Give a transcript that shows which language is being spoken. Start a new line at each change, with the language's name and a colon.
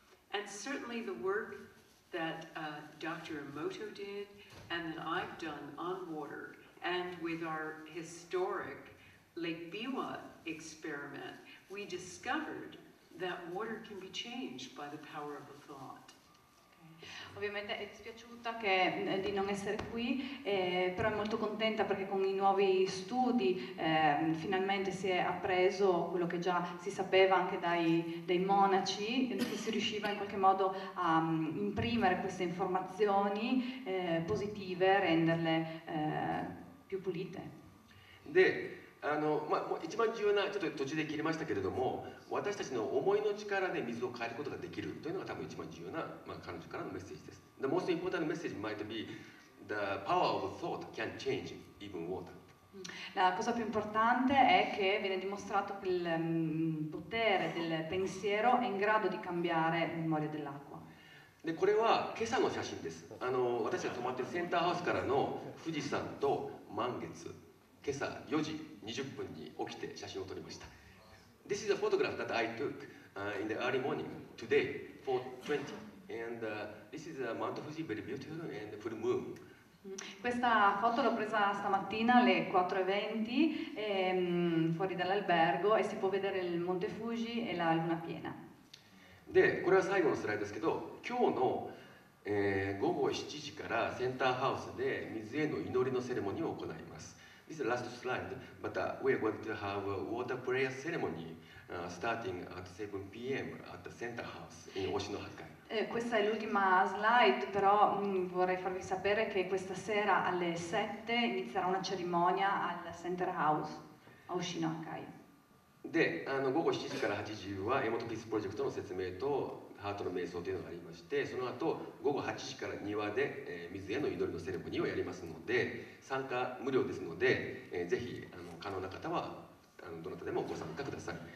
English: And certainly the work that Dr. Emoto did and that I've done on water and with our historic Lake Biwa experiment, we discovered that water can be changed by the power of a thought.
Italian: Ovviamente è dispiaciuta che, di non essere qui, però è molto contenta perché con i nuovi studi finalmente si è appreso quello che già si sapeva anche dai monaci, che si riusciva in qualche modo a imprimere queste informazioni positive, renderle più pulite.
Japanese: De, まあ、一番重要な、ちょっと途中で切りましたけれども、私たちの思いの力で水を変えることができるというのが多分一番重要な、まあ、彼女からのメッセージです。
English: The most important message might be the power of thought can change even water.
Italian: La cosa più importante è che viene dimostrato che il potere del pensiero è in grado di cambiare la memoria dell'acqua. E questo è il giorno di oggi. Noi siamo arrivati al centro house di Fujisan e la luna. Oggi alle 4:20 ho preso la foto. Questa è la foto che ho preso in
English: early morning,
Italian: oggi, 4:20.
English: And this is Mount Fuji, very beautiful and full moon.
Italian: Questa foto l'ho presa stamattina alle 4:20 fuori dall'albergo e si può vedere il Monte Fuji e la luna piena.
Japanese: De, これは最後のスライドですけど、今日の午後7時からセンターハウスで水への祈りのセレモニーを行います。
English: This is the last slide, but we are going to have a water prayer ceremony starting at 7 p.m. at the center house in Oshinohakai.
Italian: Questa è l'ultima slide, però vorrei farvi sapere che questa sera alle 7 inizierà una cerimonia al center house a Oshinohakai.
Japanese: で、午後7時から8時はエモトピースプロジェクトの説明とハートの瞑想というのがありまして、その後午後8時から庭で水への祈りのセレモニーをやりますので、参加無料ですので、ぜひ可能な方はどなたでもご参加ください。